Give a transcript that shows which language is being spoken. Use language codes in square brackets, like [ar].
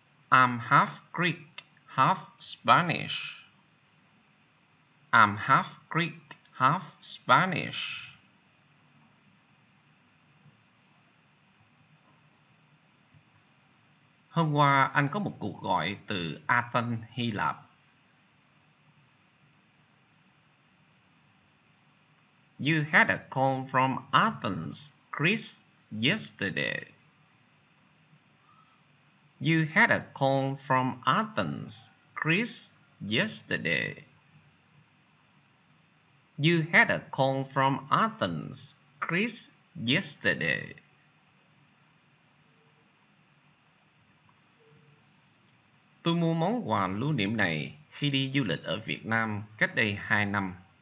[en] I'm half Greek, half Spanish. I'm half Greek, half Spanish. [vi] Hôm qua anh có một cuộc gọi từ Athens, Hy Lạp. [en] You had a call from Athens, Greece yesterday. You had a call from Athens, Greece yesterday. You had a call from Athens, Greece yesterday. [vi] Tôi mua món quà lưu niệm này khi đi du lịch ở Việt Nam cách đây 2 năm.